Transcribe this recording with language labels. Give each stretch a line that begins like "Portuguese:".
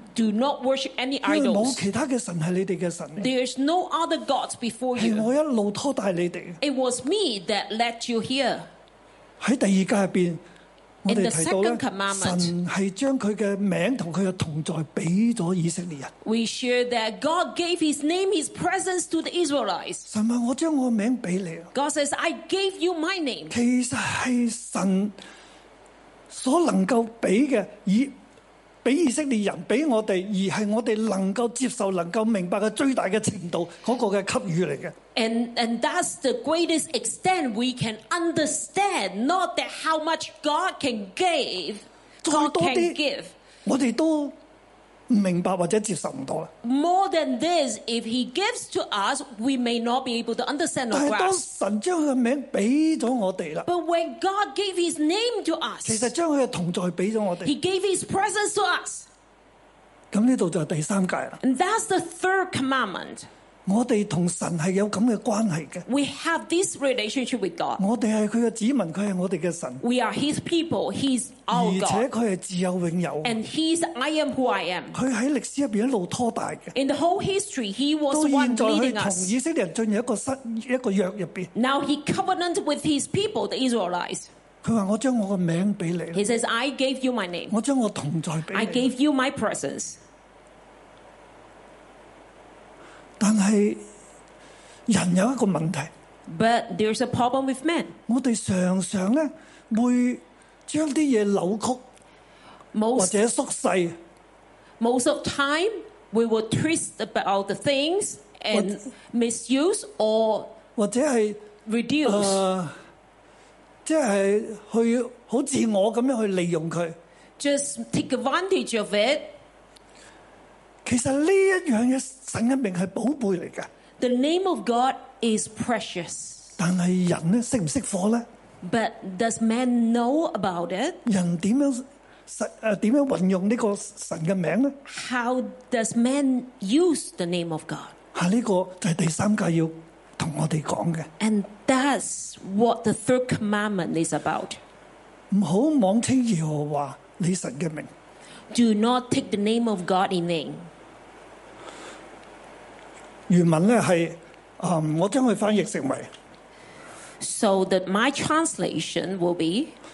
English: Do not worship any idols。
Cantonese: 因为冇其他嘅神系你哋嘅神。
English: There is no other gods before you。
Cantonese: 系我一路拖带你哋。
English: It was me that led you here。
Cantonese: 喺第二诫入边，我哋提到咧，神系将佢嘅名同佢嘅同在俾咗以色列人。
English: We share that God gave His name, His presence to the Israelites。
Cantonese: 神话我将我嘅名俾你。
English: God says, I gave you my name。
Cantonese: 其实系神所能够俾嘅，俾以色列人俾我哋，而系我哋能够接受、能够明白嘅最大嘅程度嗰个嘅给予嚟嘅。
English: And that's the greatest extent we can understand, not that how much God can give, God can give.
Cantonese: 我哋都唔明白或者接受唔到啦。
English: More than this, if He gives to us, we may not be able to understand or grasp.
Cantonese: 但系当神将佢嘅名俾咗我哋啦。
English: But when God gave His name to us,
Cantonese: 其实将佢嘅同在俾咗我哋。
English: He gave His presence to us.
Cantonese: 咁呢度就系第三诫啦。
English: And that's the third commandment.
Cantonese: 我哋同神系有咁嘅关系嘅。
English: We have this relationship with God。
Cantonese: 我哋系佢嘅子民，佢系我哋嘅神。
English: We are His people, He's our God。
Cantonese: 而且佢系自有永有。
English: And He's I am who I am。
Cantonese: 佢喺历史入边一路拖大嘅。
English: In the whole history, He was one leading us。
Cantonese: 到现在佢同以色列人进入一个约入边。
English: Now He covenant with His people, the Israelites。
Cantonese: 佢话我将我嘅名俾你。
English: He says I gave you my name。
Cantonese: 我将我同在俾你。
English: I gave you my presence。
Cantonese: 但是人有一个问题。
English: But there's a problem with men.
Cantonese: 我们常常呢会将啲嘢扭曲
English: most,
Cantonese: 或者缩细。
English: Most of time, we will twist about the things and misuse or reduce.
Cantonese: 或者是即是去好自我咁样去利用佢。
English: Just take advantage of it.
Cantonese: 其实呢一样嘢，神嘅名系宝贝嚟噶。
English: The name of God is precious。
Cantonese: 但系人咧，识唔识货咧
English: ？But does man know about it？
Cantonese: 人点样运用呢个神嘅名咧
English: ？How does man use the name of God？
Cantonese: 吓，呢个就系第三诫要同我哋讲嘅。
English: And that's what the third commandment is about。
Cantonese: 唔好妄称耶和华你神嘅名。
English: Do not take the name of God in vain。
Cantonese: 原文咧系，我将佢翻译成为。
English: So that my translation will be，